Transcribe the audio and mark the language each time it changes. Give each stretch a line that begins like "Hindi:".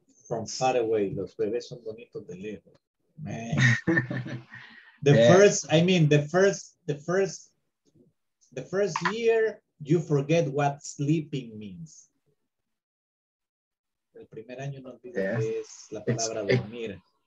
English: From far away,
Spanish: los bebés son bonitos de lejos.
English: Man. The first year, you forget what sleeping means.
Spanish: El primer año no olvides la palabra dormir.